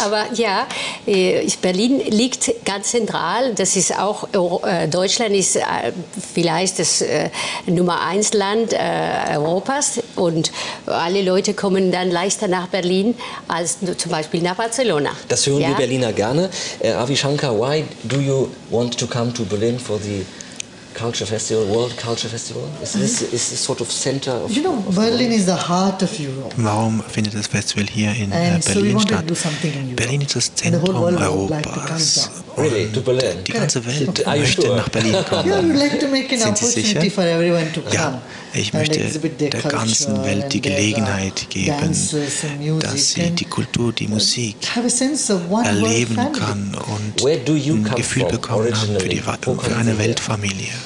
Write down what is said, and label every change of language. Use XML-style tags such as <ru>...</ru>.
<de>Aber ja, Berlin liegt ganz zentral. Das ist auch, Deutschland ist vielleicht das Nummer 1 Land Europas. Und alle Leute kommen dann leichter nach Berlin als zum Beispiel nach Barcelona. Das hören wir Berliner gerne.</de> <en>Ravi Shankar, why do you want to come to Berlin for the Culture Festival, World Culture Festival? Is this sort of center of Europe? Berlin is the heart of Europe.</en> <de>Warum findet das Festival hier in Berlin statt? Berlin ist das Zentrum Europas.</de> <en>Really, to Berlin?</en> <de>Die ganze Welt möchte nach Berlin kommen.</de> <en>Yeah, we'd like to make an opportunity for everyone to come.</en> <de>Ja, ich möchte der ganzen Welt die Gelegenheit geben, dass sie die Kultur, die Musik erleben kann und ein Gefühl bekommen kann für eine Weltfamilie.</de>